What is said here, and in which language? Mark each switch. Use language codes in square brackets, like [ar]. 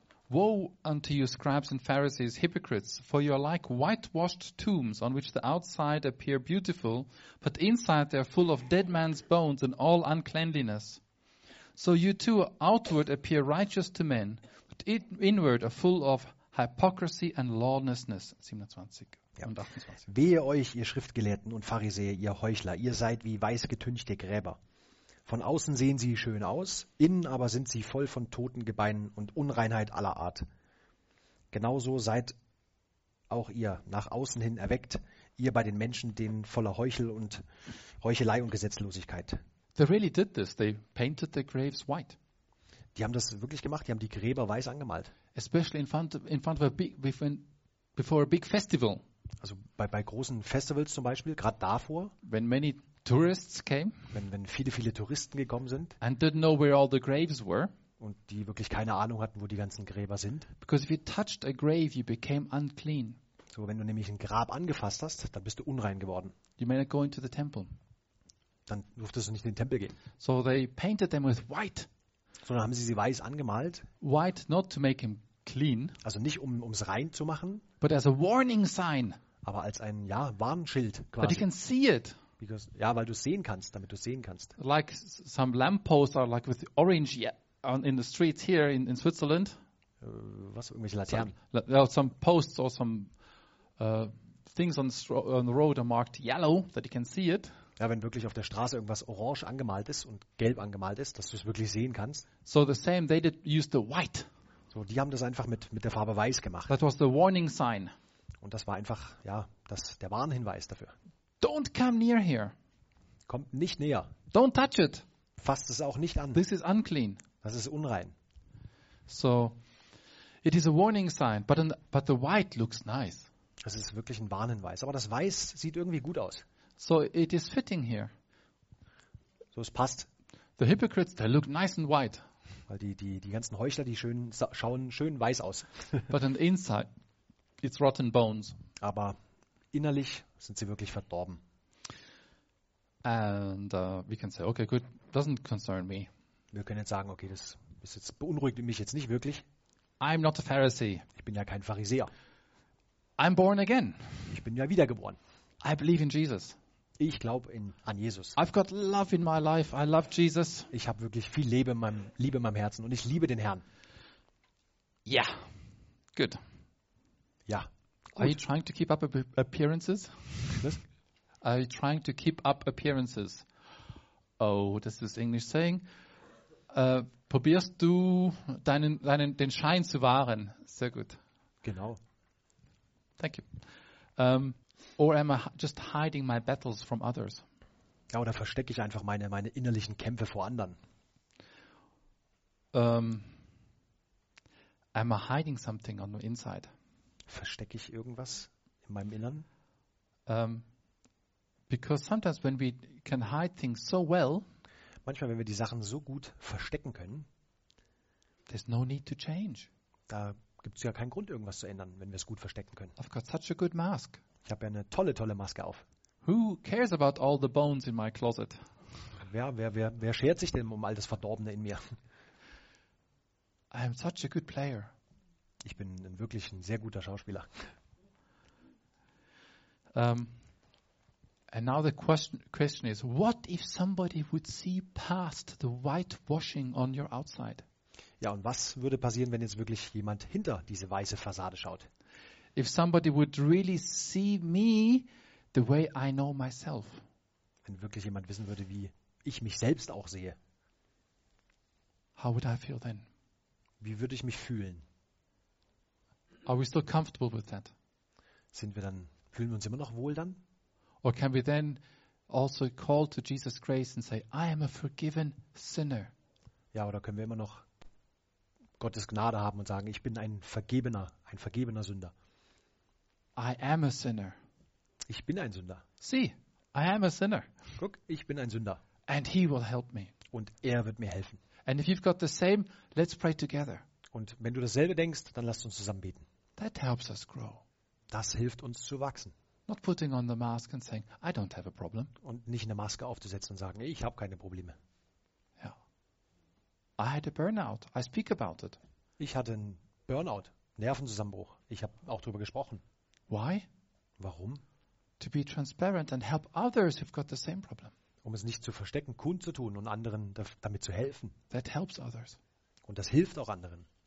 [en] Woe unto you, scribes and Pharisees, hypocrites, for you are like whitewashed tombs, on which the outside appear beautiful, but inside they are full of dead man's bones and all uncleanliness. So you too outward appear righteous to men, but inward are full of hypocrisy and lawlessness. 27 [de] ja. Und 28. Wehe euch, ihr Schriftgelehrten und Pharisäer, ihr Heuchler, ihr seid wie weißgetünchte Gräber. Von außen sehen sie schön aus, innen aber sind sie voll von toten Gebeinen und Unreinheit aller Art. Genauso seid auch ihr nach außen hin erweckt, ihr bei den Menschen, denen voller Heuchelei und Gesetzlosigkeit. [en] They really did this. They painted their graves white. [de] Die haben das wirklich gemacht. Die haben die Gräber weiß angemalt. [en] Especially in front of a big, before a big festival. [de] Also bei großen Festivals zum Beispiel, gerade davor. [en] When many tourists came. [de] Wenn viele Touristen gekommen sind. [en] And didn't know where all the graves were. [de] Und die wirklich keine Ahnung hatten, wo die ganzen Gräber sind. [en] Because if you touched a grave, you became unclean. [de] So, wenn du nämlich ein Grab angefasst hast, dann bist du unrein geworden. [en] You may not go into the temple. [de] Dann durftest du nicht in den Tempel gehen. [en] So they painted them with white. [de] So, dann haben sie weiß angemalt. [en] White not to make him clean. [de] Also nicht um's rein zu machen. [en] But as a warning sign. [de] Aber als ein Warnschild quasi. [en] But you can see it. Because, [de] ja, weil du es sehen kannst, damit du es sehen kannst. [en] Like some lampposts are like with orange in the streets here in Switzerland. [de] Was, irgendwelche Laternen? [en] Some posts or some things on the road are marked yellow, that you can see it. [de] Ja, wenn wirklich auf der Straße irgendwas orange angemalt ist und gelb angemalt ist, dass du es wirklich sehen kannst. [en] So the same, they did use the white. [de] So, die haben das einfach mit der Farbe weiß gemacht. [en] That was the warning sign. [de] Und das war einfach, ja, das der Warnhinweis dafür. [en] Don't come near here. [de] Kommt nicht näher. [en] Don't touch it. [de] Fasst es auch nicht an. [en] This is unclean. [de] Das ist unrein. [en] So, it is a warning sign, but the white looks nice. [de] Das ist wirklich ein Warnhinweis, aber das Weiß sieht irgendwie gut aus. [en] So, it is fitting here. [de] So, es passt. [en] The hypocrites, they look nice and white. [de] Weil die ganzen Heuchler, die schauen schön weiß aus. [en] But on the inside, it's rotten bones. [de] Aber innerlich sind sie wirklich verdorben. [en] And we can say, okay, good, doesn't concern me. [de] Wir können jetzt sagen, okay, das jetzt beunruhigt mich jetzt nicht wirklich. [en] I'm not a Pharisee. [de] Ich bin ja kein Pharisäer. [en] I'm born again. [de] Ich bin ja wiedergeboren. [en] I believe in Jesus. [de] Ich glaube an Jesus. [en] I've got love in my life. I love Jesus. [de] Ich habe wirklich viel Liebe in meinem Herzen und ich liebe den Herrn. [en] Yeah. Good. [de] Ja. Gut. [en] Are you trying to keep up appearances? [de] Was? [en] Are you trying to keep up appearances? Oh, this is English saying. [de] Probierst du den Schein zu wahren? Sehr gut. Genau. [en] Thank you. Or am I just hiding my battles from others? [de] Ja, oder verstecke ich einfach meine innerlichen Kämpfe vor anderen? [en] Am I hiding something on the inside? [de] Verstecke ich irgendwas in meinem Innern? [en] Because sometimes when we can hide things so well, [de] manchmal, wenn wir die Sachen so gut verstecken können, [en] there's no need to change. [de] Da gibt es ja keinen Grund, irgendwas zu ändern, wenn wir es gut verstecken können. [en] I've got such a good mask. [de] Ich habe ja eine tolle Maske auf. [en] Who cares about all the bones in my closet? [de] Wer schert sich denn um all das Verdorbene in mir? [en] I am such a good player. [de] Ich bin wirklich ein sehr guter Schauspieler. [en] And now the question is, what if somebody would see past the whitewashing on your outside? [de] Ja, und was würde passieren, wenn jetzt wirklich jemand hinter diese weiße Fassade schaut? [en] If somebody would really see me the way I know myself. [de] Wenn wirklich jemand wissen würde, wie ich mich selbst auch sehe. [en] How would I feel then? [de] Wie würde ich mich fühlen? [en] Are we still comfortable with that? [de] Fühlen wir uns immer noch wohl dann? [en] Or can we then also call to Jesus grace and say, I am a forgiven sinner? [de] Ja, oder können wir immer noch Gottes Gnade haben und sagen, ich bin ein vergebener Sünder. [en] I am a sinner. [de] Ich bin ein Sünder. [en] See, I am a sinner. [de] Guck, ich bin ein Sünder. [en] And he will help me. [de] Und er wird mir helfen. [en] And if you've got the same, let's pray together. [de] Und wenn du dasselbe denkst, dann lasst uns zusammen beten. [en] That helps us grow. [de] Das hilft uns zu wachsen. [en] Not putting on the mask and saying, I don't have a problem. [de] Und nicht eine Maske aufzusetzen und sagen, ich habe keine Probleme. [en] Ja. I had a burnout. I speak about it. [de] Ich hatte einen Burnout, Nervenzusammenbruch. Ich habe auch darüber gesprochen. [en] Why? [de] Warum? [en] To be transparent and help others who've got the same problem. [de] Um es nicht zu verstecken, kundzutun und anderen damit zu helfen. [en] That helps others. [de] Und das hilft auch anderen.